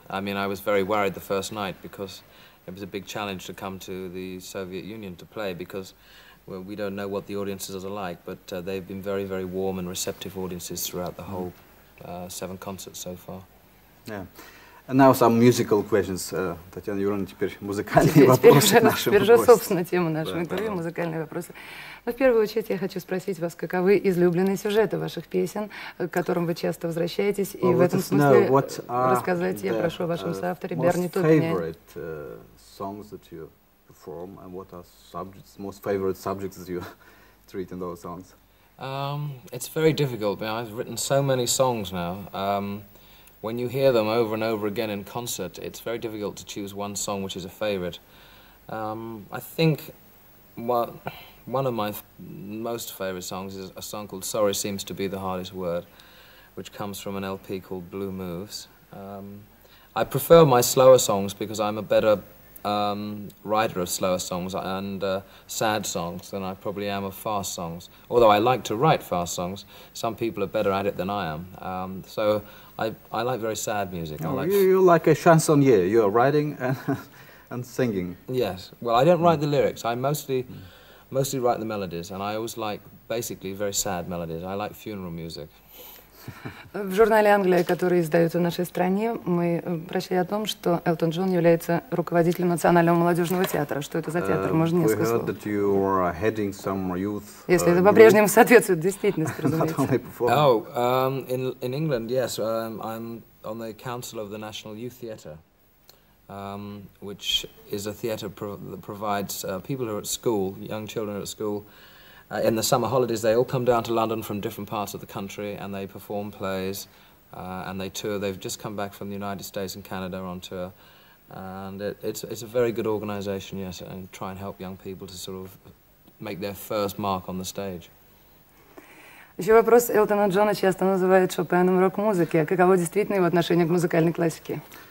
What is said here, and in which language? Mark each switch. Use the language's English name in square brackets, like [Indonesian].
[English] I mean, I was very worried the first night because it was a big challenge to come to the Soviet Union to play because, well, we don't know what the audiences are like, but they've been very, very warm and receptive audiences throughout the whole seven concerts so far. Yeah. And now some musical questions. [Russian] Татьяна Юрьевна, теперь музыкальные вопросы нашим. Теперь же, собственно, тема нашего интервью – музыкальные вопросы. Но в первую очередь я хочу спросить вас, каковы излюбленные сюжеты ваших песен, к которым вы часто возвращаетесь, и в этом смысле рассказать, я прошу, о вашем соавторе Берни Тубине. [English] Songs that you perform, and what are subjects, most favorite subjects that you treat in those songs? It's very difficult. I've written so many songs now. When you hear them over and over again in concert, it's very difficult to choose one song which is a favorite. I think one of my most favorite songs is a song called Sorry Seems to Be the Hardest Word, which comes from an LP called Blue Moves. I prefer my slower songs because I'm a better writer of slower songs and sad songs than I probably am of fast songs. Although I like to write fast songs, some people are better at it than I am. So I like very sad music. Oh, you're like a chansonnier. You're writing and singing. Yes. Well, I don't write the lyrics. I mostly write the melodies, and I always like basically very sad melodies. I like funeral music. [Russian] В журнале «Англия», который издают в нашей стране, мы прочли о том, что Элтон Джон является руководителем Национального молодежного театра. Что это за театр? Можно несколько слов? [English] That you are heading some youth, [Russian] если это по-прежнему соответствует действительности, разумеется. [English] Oh, in England, yes, I'm on the council of the National Youth Theatre, which is a theatre that provides people who are at school, young children at school. In the summer holidays, they all come down to London from different parts of the country, and they perform plays, and they tour. They've just come back from the United States and Canada on tour, and it's a very good organization, yes, and try and help young people to sort of make their first mark on the stage. [Russian] Еще вопрос. Элтона Джона часто называют Шопеном рок-музыки. Каково действительно его отношение к музыкальной классике?